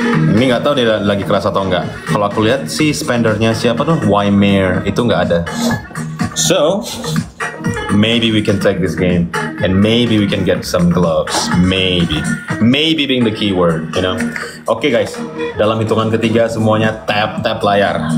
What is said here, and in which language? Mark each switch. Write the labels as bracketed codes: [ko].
[id] Ini nggak tahu dia lagi keras atau enggak. Kalau aku lihat sih spendernya siapa tuh? Wymer itu nggak ada. [en] So, maybe we can take this game and maybe we can get some gloves. Maybe, maybe being the keyword, you know. Okay guys, [id] dalam hitungan ketiga semuanya tap tap layar.